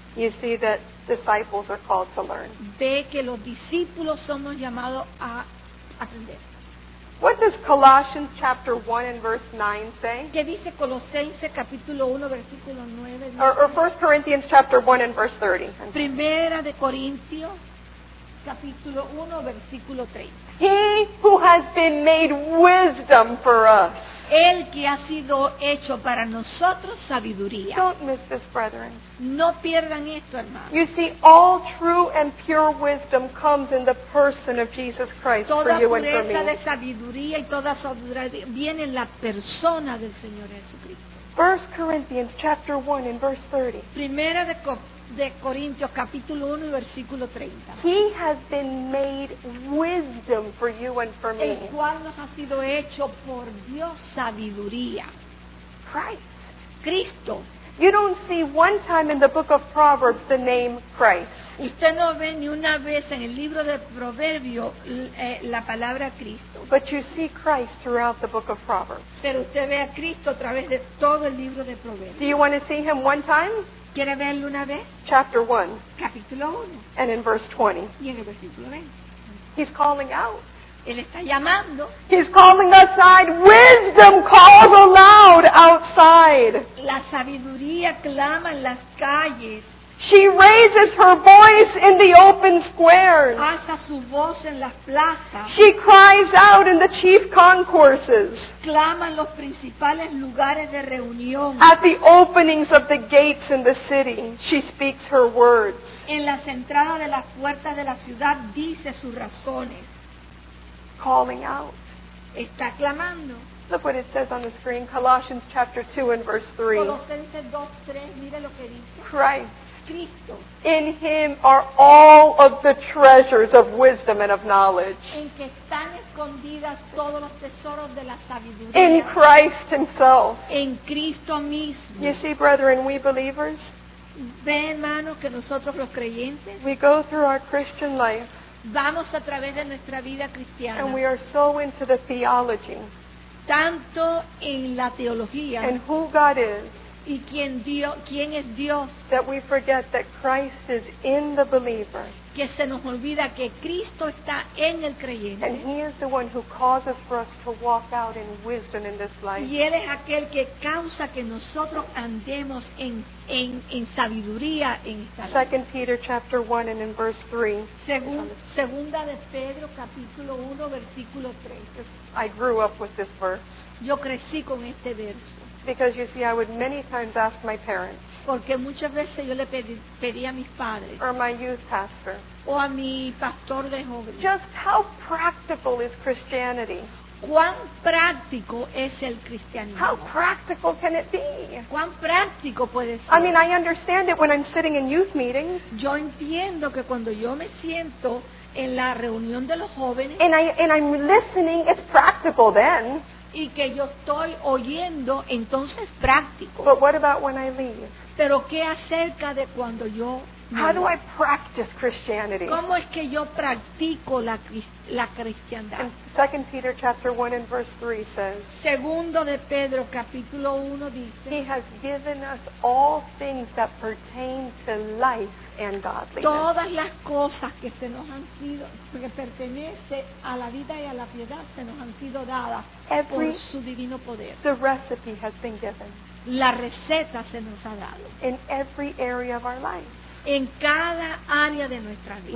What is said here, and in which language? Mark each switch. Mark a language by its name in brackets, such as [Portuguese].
[English] you see that disciples are called to learn. [Spanish] Ve que los discípulos somos llamados a aprender. [English] What does Colossians chapter 1 and verse 9 say? [Spanish] ¿Qué dice Colosense, capítulo 1, versículo 9? [English] Or 1 Corinthians chapter 1 and verse 30. [Spanish] Primera de Corintios, capítulo 1, versículo 30. [English] He who has been made wisdom for us. [Spanish] Él que ha sido hecho para nosotros sabiduría. [English] Don't miss this, brethren. [Spanish] No pierdan esto, hermanos. [English] You see, all true and pure wisdom comes in the person of Jesus Christ [Spanish] toda [English] for you and for me. [Spanish] Toda pureza de sabiduría y toda sabiduría viene en la persona del Señor Jesucristo. [English] 1 Corinthians chapter 1 and verse 30. [Spanish] Primera de Corintios capítulo 1 y versículo 30. [English] He has been made wisdom for you and for me. [Spanish] El cual nos ha sido hecho por Dios sabiduría. [English] Christ. [Spanish] Cristo. [English] You don't see one time in the book of Proverbs the name Christ. [Spanish] Usted no ve ni una vez en el libro de Proverbios la palabra Cristo. [English] But you see Christ throughout the book of Proverbs. [Spanish] Pero usted ve a Cristo a través de todo el libro de Proverbios. [English] Do you want to see him one time? [Spanish] ¿Quiere verlo una vez? [English] Chapter 1. [Spanish] Capítulo 1. [English] And in verse 20. [Spanish] Y en el versículo 20. [English] He's calling out. [Spanish] Él está llamando. [English] He's calling outside. Wisdom calls aloud outside. [Spanish] La sabiduría clama en las calles. [English] She raises her voice in the open squares. [Spanish] Alza su voz en las plazas. [English] She cries out in the chief concourses. [Spanish] Clama en los principales lugares de reunión. [English] At the openings of the gates in the city, she speaks her words. [Spanish] En las entradas de las puertas de la ciudad dice sus razones. [English] Calling out. [Spanish] Está clamando. [English] Look what it says on the screen. Colossians chapter 2 and verse 3. [Spanish] Colosenses 2, 3. Mire lo que dice. [English] Christ. In him are all of the treasures of wisdom and of knowledge. [Spanish] En que están escondidas todos los tesoros de la sabiduría. [English] In Christ himself. [Spanish] En Cristo mismo. [English] You see, brethren, we believers, [Spanish] ve, hermano, que nosotros los creyentes, [English] we go through our Christian life, [Spanish] vamos a través de nuestra vida cristiana, [English] and we are so into the theology, [Spanish] tanto en la teología, [English] and who God is, [Spanish] y quién quién es Dios, [English] that we forget that Christ is in the believer, [Spanish] que se nos olvida que Cristo está en el creyente, [English] and he is the one who causes for us to walk out in wisdom in this life, [Spanish] y él es aquel que causa que nosotros andemos en sabiduría en esta vida. [English] 2 Peter chapter 1 and in verse 3. [Spanish] Segunda de Pedro capítulo 1 versículo 3. [English] I grew up with this verse. [Spanish] Yo crecí con este verso. [English] Because you see, I would many times ask my parents, [Spanish] porque muchas veces yo le pedí a mis padres, [English] or my youth pastor, [Spanish] o a mi pastor de jóvenes, [English] just how practical is Christianity? [Spanish] ¿Cuán práctico es el cristianismo? [English] How practical can it be? [Spanish] ¿Cuán práctico puede ser? [English] I mean, I understand it when I'm sitting in youth meetings. [Spanish] Yo entiendo que cuando yo me siento en la reunión de los jóvenes, [English] and I'm listening, it's practical then. [Spanish] Y que yo estoy oyendo, entonces práctico. [English] But what about when I leave? [Spanish] Pero qué acerca de cuando yo me... [English] How do I practice Christianity? [Spanish] ¿Cómo es que yo practico la cristiandad? [English] And 2 Peter chapter 1 and verse 3 says, [Spanish] Segundo de Pedro capítulo 1 dice, [English] He has given us all things that pertain to life and godliness. [Spanish] Todas las cosas que se nos han sido, que pertenece a la vida y a la piedad, se nos han sido dadas [English] Every, [Spanish] por su divino poder. [English] The recipe has been given. [Spanish] La receta se nos ha dado. [English] In every area of our life. [Spanish] En cada área de nuestra vida.